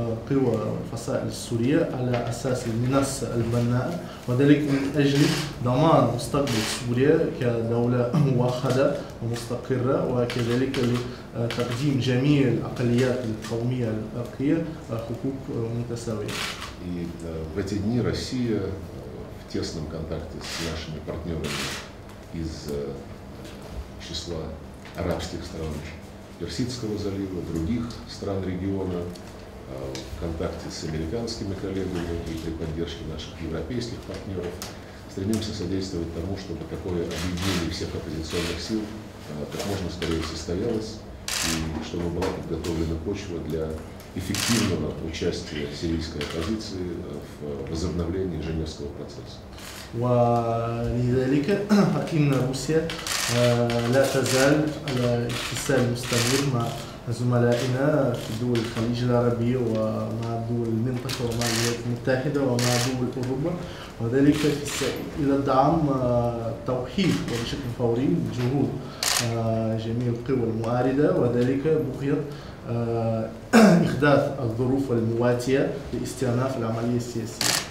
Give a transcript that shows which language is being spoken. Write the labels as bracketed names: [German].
[Arabic] قوى فصائل سوريا على أساس المنصة البناء وذلك من أجل ضمان مستقبل سوريا كدولة موحدة ومستقرة وكذلك لتقديم جميع الأقليات القومية الأرقية حقوق متساوية. [Russian] И в эти дни Россия в тесном контакте с нашими партнерами из числа арабских стран Персидского залива, других стран региона, в контакте с американскими коллегами и при поддержке наших европейских партнеров стремимся содействовать тому, чтобы такое объединение всех оппозиционных сил как можно скорее состоялось и чтобы была подготовлена почва для эффективного участия сирийской оппозиции в возобновлении Женевского процесса. [Arabic] ولذلك فإن روسيا لا تزال على اتصال مستمر مع زملائنا في دول الخليج العربي ومع دول المنطقة ومع الولايات المتحدة ومع دول أوروبا وذلك إلى دعم توحيد بشكل فوري جهود جميع القوى المعارضة وذلك بغية إحداث الظروف المواتية لاستئناف العملية السياسية.